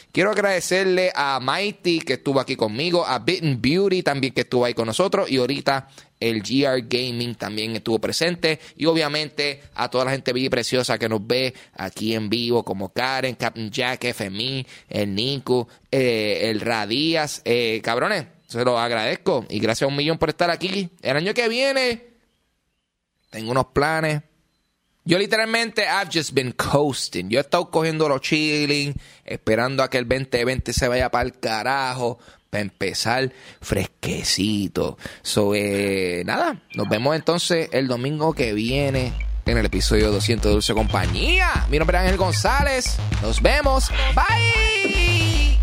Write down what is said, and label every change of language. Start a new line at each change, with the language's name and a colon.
Spanish: Quiero agradecerle a Mighty que estuvo aquí conmigo, a Bitten Beauty también que estuvo ahí con nosotros, y ahorita el GR Gaming también estuvo presente, y obviamente a toda la gente bella y preciosa que nos ve aquí en vivo, como Karen, Captain Jack, FMI, el Nico, el Radías, cabrones. Se lo agradezco y gracias a un millón por estar aquí. El año que viene tengo unos planes. Yo literalmente
English: I've just been coasting.
Spanish: Yo he estado cogiendo los chilling, esperando a que el 2020 se vaya para el carajo para empezar fresquecito. Nada, nos vemos entonces el domingo que viene en el episodio 200 de Dulce Compañía. Mi nombre es Ángel González. Nos vemos. Bye.